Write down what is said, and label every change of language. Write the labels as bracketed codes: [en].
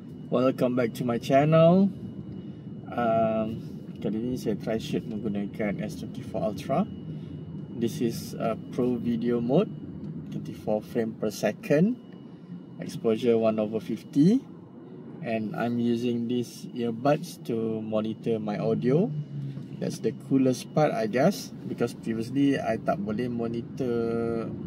[en] Welcome back to my channel. [ms] Kali ini saya [en] try shoot [ms] menggunakan S24 Ultra. [en] This is a pro video mode, 24 frames per second, exposure 1/50, and I'm using these earbuds to monitor my audio. That's the coolest part, I guess, because previously I [ms] tak boleh [en] monitor.